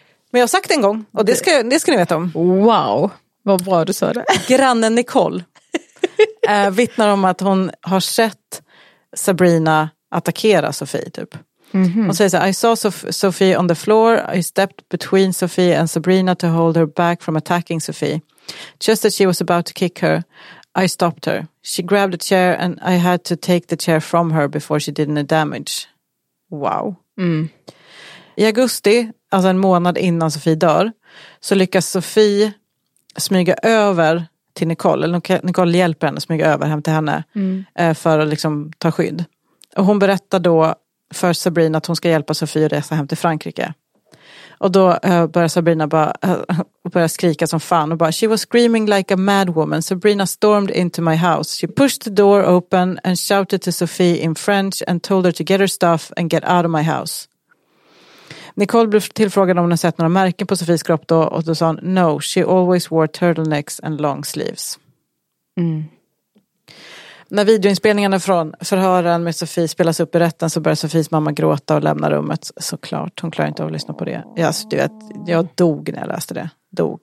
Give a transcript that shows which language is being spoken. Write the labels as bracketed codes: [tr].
[sv] Men jag har sagt en gång, och det ska ni veta om. Wow. Vad bra du sa det. Grannen Nicole vittnar om att hon har sett Sabrina attackera Sofie. Typ. Mm-hmm. Hon säger så här, [en] I saw Sophie on the floor. I stepped between Sophie and Sabrina to hold her back from attacking Sophie. Just as she was about to kick her, I stopped her. She grabbed a chair and I had to take the chair from her before she did any damage. Wow. Mm. [sv] I augusti, alltså en månad innan Sophie dör, så lyckas Sophie smyga över till Nicole. Eller Nicole hjälper henne att smyga över hem till henne för att liksom ta skydd. Och hon berättar då för Sabrina att hon ska hjälpa Sophie att resa hem till Frankrike. Och då börjar Sabrina börja skrika som fan. Och bara, [en] she was screaming like a mad woman. Sabrina stormed into my house. She pushed the door open and shouted to Sophie in French and told her to get her stuff and get out of my house. [sv] Nicole blev tillfrågad om hon sett några märken på Sofies kropp då. Och då sa hon, [en] no, she always wore turtlenecks and long sleeves. Mm. [sv] När videoinspelningarna från förhören med Sofie spelas upp i rätten så börjar Sofies mamma gråta och lämna rummet. Såklart, hon klarar inte av att lyssna på det. Yes, du vet, jag dog när jag läste det. Dog.